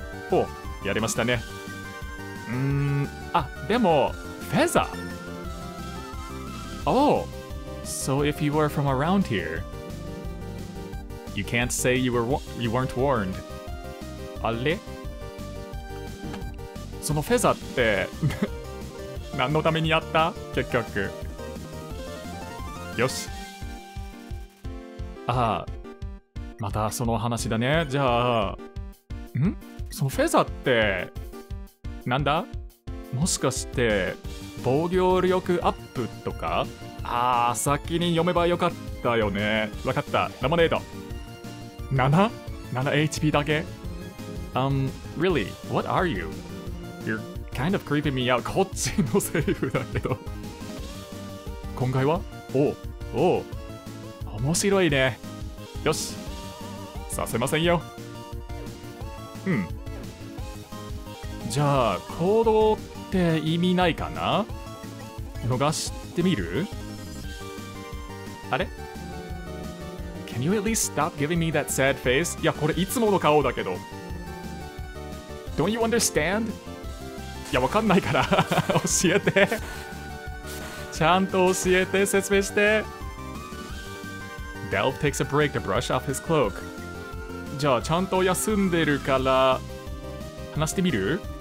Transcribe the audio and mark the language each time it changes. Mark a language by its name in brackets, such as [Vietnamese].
[Japanese] お、やりましたね。あ、でも、フェザー? [English] Oh, so if you were from around here, you can't say you weren't warned. [Japanese] あれ? そのフェザーって何のためにあった? 結局。よし。あ、またその話だね。じゃあ、ん?そのフェザーってなんだ? もしかして防御力アップとか。あー、先に読めばよかったよね。わかった、ラマネード 7?7HP だけ。 [English] Really? What are you? You're kind of creeping me out. [Japanese] こっちのセリフだけど。今回は？おう、おう、面白いね。よし、させませんよ。うん。じゃあ、行動って意味ないかな？逃してみる？あれ？ [English] Can you at least stop giving me that sad face? [Japanese] いや、これいつもの顔だけど。 [English] Don't you understand? [Japanese] いや、わかんないから教えて。ちゃんと教えて、説明して。 [English] Delph takes a break to brush off his cloak. [Japanese] じゃあ、ちゃんと休んでるから話してみる。